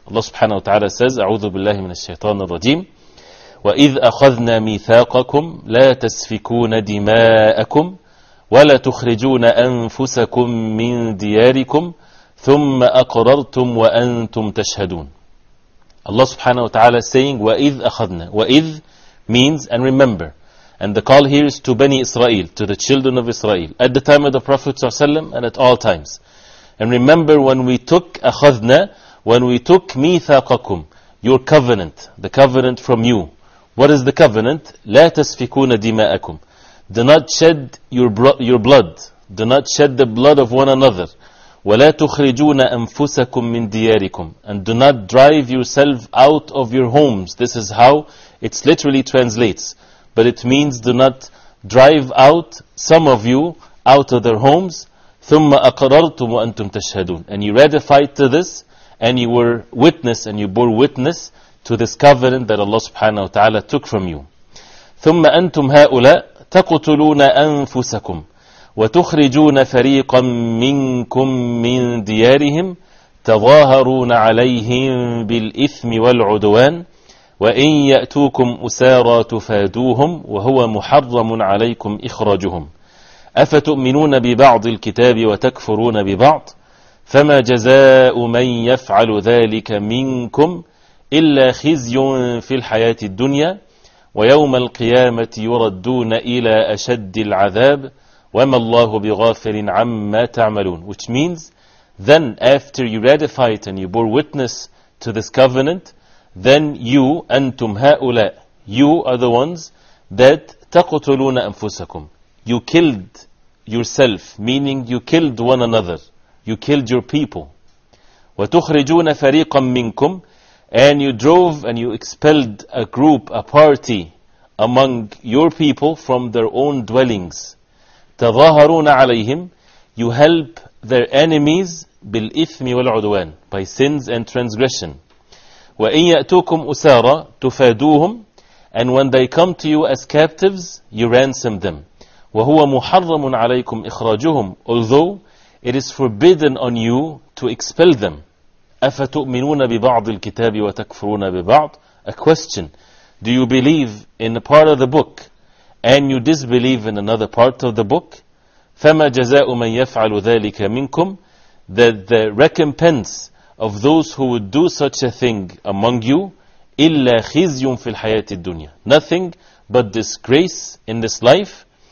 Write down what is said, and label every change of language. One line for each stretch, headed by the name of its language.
English: Allah subhanahu wa ta'ala says,
Arabic: أعوذ بالله من الشيطان الرجيم وإذ أخذنا ميثاقكم لا تسفكون دماءكم ولا تخرجون أنفسكم من دياركم ثم أقررتم وأنتم تشهدون.
English: Allah subhanahu wa ta'ala saying,
Arabic: وَإِذْ أَخَذْنَا.
English: وَإِذْ means and remember. And the call here is to Bani Israel, to the children of Israel, at the time of the Prophet ﷺ and at all times. And remember when we took أَخَذْنَا, when we took مِيثَاقَكُمْ, your covenant, the covenant from you. What is the covenant?
Arabic: لَا تَسْفِكُونَ دِمَاءَكُمْ.
English: Do not shed your blood. Do not shed the blood of one another.
Arabic: وَلَا تُخْرِجُونَ أَنفُسَكُم مِّن دِيَارِكُمْ.
English: And do not drive yourself out of your homes. This is how it literally translates. But it means do not drive out some of you out of their homes.
Arabic: ثُمَّ أَقْرَرْتُمْ وَأَنتُمْ تَشْهَدُونَ.
English: And you ratified to this, and you were witness, and you bore witness to this covenant that Allah subhanahu wa ta'ala took from you.
Arabic: ثُمَّ أَنتُمْ هَؤُلَاء تقتلون أنفسكم وتخرجون فريقا منكم من ديارهم تظاهرون عليهم بالإثم والعدوان وإن يأتوكم أسارى تفادوهم وهو محرم عليكم إخراجهم أفتؤمنون ببعض الكتاب وتكفرون ببعض فما جزاء من يفعل ذلك منكم إلا خزي في الحياة الدنيا ويوم القيامة يردون إلى أشد العذاب وما الله بغافل عما تعملون.
English: Which means Then after you ratify it and you bore witness to this covenant, then you,
Arabic: أنتم هؤلاء,
English: you are the ones that
Arabic: تقتلون أنفسكم.
English: You killed yourself, meaning you killed one another. You killed your people.
Arabic: وتخرجون فريقا منكم,
English: and you drove and you expelled a group, a party among your people from their own dwellings.
Arabic: تظاهرون عليهم,
English: you help their enemies
Arabic: بالإثم والعدوان,
English: by sins and transgression.
Arabic: وإن يأتوكم أسارى تفادوهم,
English: and when they come to you as captives, you ransom them.
Arabic: وهو محرم عليكم إخراجهم,
English: although it is forbidden on you to expel them.
Arabic: أفتؤمنون ببعض الكتاب وتكفرون ببعض.
English: A question: do you believe in a part of the book and you disbelieve in another part of the book?
Arabic: فما جزاء من يفعل ذلك منكم,
English: that the recompense of those who would do such a thing among you,
Arabic: إلا خزي في الحياة الدنيا,
English: nothing but disgrace in this life.